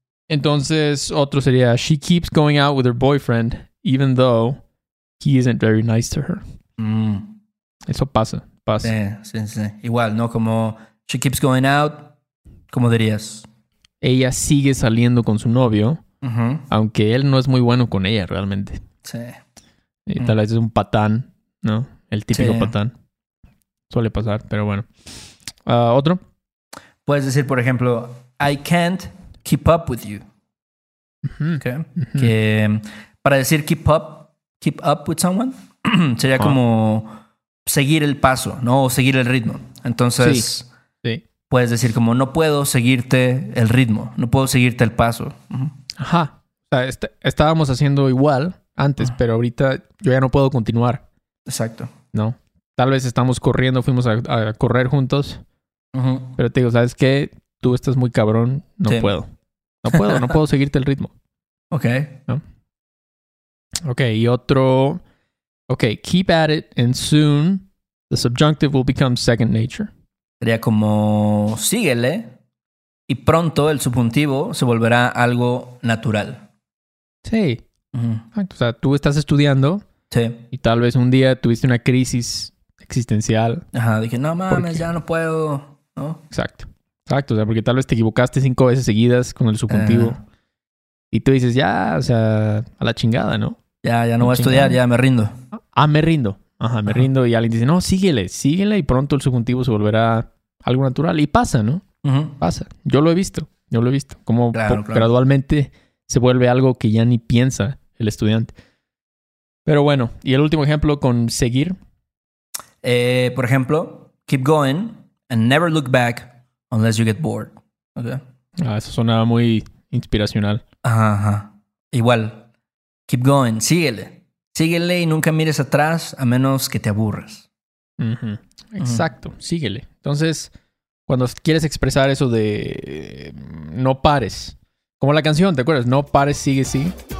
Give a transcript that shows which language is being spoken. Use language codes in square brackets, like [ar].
[es] Entonces, otro sería, [en] she keeps going out with her boyfriend, even though he isn't very nice to her. Mm. [es] Eso pasa. Sí, sí, sí. Igual, ¿no? Como, [en] she keeps going out, [es] ¿cómo dirías? Ella sigue saliendo con su novio, uh-huh. aunque él no es muy bueno con ella realmente. Sí. Y tal vez es un patán, ¿no? El típico sí. patán. Suele pasar, pero bueno. ¿Otro? Puedes decir, por ejemplo, [en] I can't keep up with you. Uh-huh. [es] Okay. Uh-huh. Que para decir [en] keep up with someone, [es] sería uh-huh. como seguir el paso, ¿no? O seguir el ritmo. Entonces... Sí. Puedes decir como, no puedo seguirte el ritmo. No puedo seguirte el paso. Uh-huh. Ajá. O sea, estábamos haciendo igual antes, uh-huh. pero ahorita yo ya no puedo continuar. Exacto. ¿No? Tal vez estamos corriendo, fuimos a correr juntos. Uh-huh. Pero te digo, ¿sabes qué? Tú estás muy cabrón. No sí. puedo. No puedo. No puedo seguirte el ritmo. Ok. ¿No? Ok. Y otro... Ok. [en] Keep at it and soon the subjunctive will become second nature. [es] Sería como, síguele, y pronto el subjuntivo se volverá algo natural. Sí. Uh-huh. O sea, tú estás estudiando. Sí. Y tal vez un día tuviste una crisis existencial. Ajá. Dije, no mames, ya no puedo, ¿no? Exacto. Exacto. O sea, porque tal vez te equivocaste 5 veces seguidas con el subjuntivo. Uh-huh. Y tú dices, ya, o sea, a la chingada, ¿no? Ya no voy a estudiar, ya me rindo. Ah, me rindo. Ajá, me rindo. Y alguien dice, no, síguele, síguele. Y pronto el subjuntivo se volverá algo natural. Y pasa, ¿no? Uh-huh. Pasa. Yo lo he visto. Como gradualmente se vuelve algo que ya ni piensa el estudiante. Pero bueno, y el último ejemplo con seguir. Por ejemplo, [en] keep going and never look back unless you get bored. Okay. [es] Ah, eso sonaba muy inspiracional. Ajá. Igual, [en] keep going, [es] síguele. Síguele y nunca mires atrás a menos que te aburras. Uh-huh. Exacto, uh-huh. Síguele. Entonces, cuando quieres expresar eso de no pares, como la canción, ¿te acuerdas? No pares, sigue, sí.